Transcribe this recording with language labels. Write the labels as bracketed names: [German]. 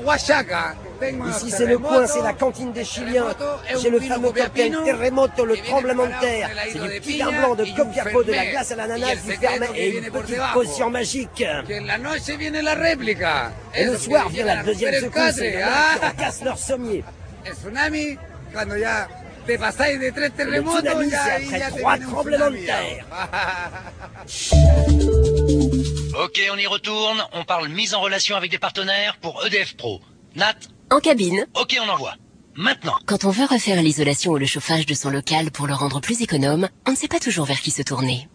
[French] Ici c'est le coin, c'est la cantine des Chiliens. J'ai le fameux cocktail Terremoto, le tremblement de terre. C'est du petit vin blanc de Copiapó, de la glace à l'ananas, du fermet et une petite potion magique. Et le soir vient la deuxième secousse et on casse leur sommier. Le tsunami, quand [Spanish] ya te pasáis de tres terremotos, [French] tsunami, c'est après trois tremblements de terre. Ok, on y retourne. On parle mise en relation avec des partenaires pour EDF Pro. Nat. En cabine. Ok, on envoie. Maintenant. Quand on veut refaire l'isolation ou le chauffage de son local pour le rendre plus économe, on ne sait pas toujours vers qui se tourner.